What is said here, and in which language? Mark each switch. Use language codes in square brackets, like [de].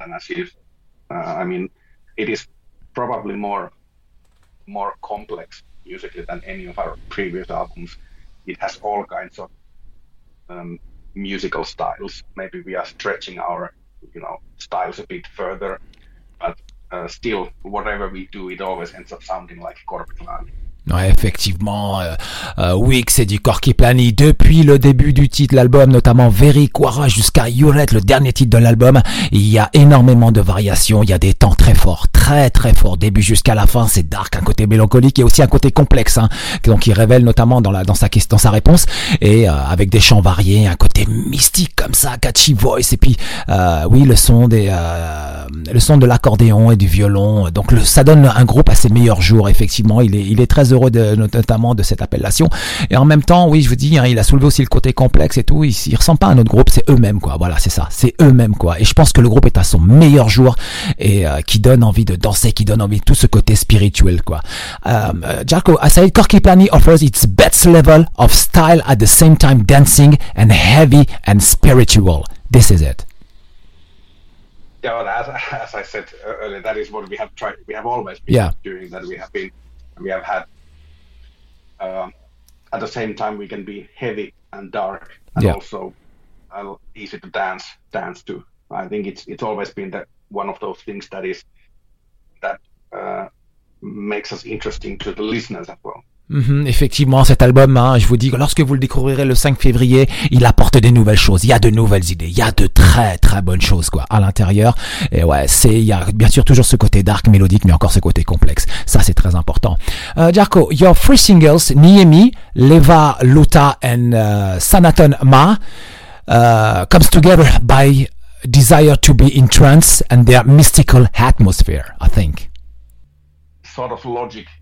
[en] And as if I mean, it is probably more complex musically than any of our previous albums. It has all kinds of musical styles. Maybe we are stretching our, you know, styles a bit further, but still, whatever we do, it always ends up sounding like Corky Plany. [fr] Ouais, effectivement, oui, c'est du Corky Plany depuis le début du titre l'album, notamment Veriquara jusqu'à Juret, le dernier titre de l'album. Il y a énormément de variations, il y a des temps très forts, très très forts, début jusqu'à la fin. C'est dark, un côté mélancolique et aussi un côté complexe, hein, donc il révèle notamment dans sa réponse, et avec des chants variés, un côté mystique comme ça, [en] catchy voice, [fr] et puis oui, le son de l'accordéon et du violon. Donc ça donne un groupe à ses meilleurs jours, effectivement. Il est très heureux heureux de, notamment de cette appellation. Et en même temps, oui, je vous dis, hein, il a soulevé aussi le côté complexe et tout. Il ressemble pas à un autre groupe, c'est eux-mêmes, quoi. Voilà, c'est ça. C'est eux-mêmes, quoi. Et je pense que le groupe est à son meilleur jour et qui donne envie de danser, qui donne envie de tout ce côté spirituel, quoi. [en] Jarko, I said Corky Plani offers its best level of style at the same time dancing and heavy and spiritual. This is it. Yeah, well, as I said earlier, that is what we have tried. We have always been doing that. We have been, we have had, at the same time, we can be heavy and dark and also easy to dance to. I think it's always been that one of those things that is, that makes us interesting to the listeners as well. [fr] Mmh, effectivement, cet album, hein, je vous dis, lorsque vous le découvrirez le 5 février, il apporte des nouvelles choses. Il y a de nouvelles idées. Il y a de très, très bonnes choses, quoi, à l'intérieur. Et ouais, c'est, il y a bien sûr toujours ce côté dark, mélodique, mais encore ce côté complexe. Ça, c'est très important. [en] Jarko, your three singles, Niemi, Leva, Luta, and Sanatan Ma, comes together by desire to be in trance and their mystical atmosphere, I think. Sort of logic.